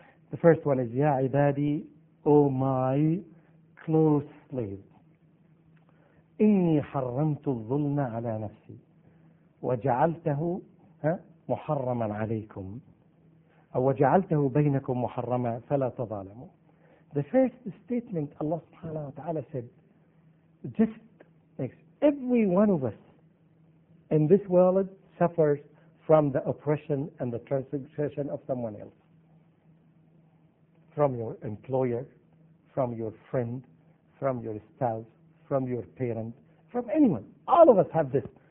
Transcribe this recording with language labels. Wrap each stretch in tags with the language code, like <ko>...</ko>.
<en>The first one is</en> <ar>يا عبادي أو</ar> <en>My close slave.</en> <ar>إني حرمت الظلم على نفسي وجعلته محرما عليكم أو وجعلته بينكم محرما فلا تظالموا.</ar> <en>The first statement Allah subhanahu wa ta'ala said, just Next. Every one of us in this world suffers from the oppression and the transgression of someone else. From your employer, from your friend, from your spouse, from your parent, from anyone. All of us have this.</en>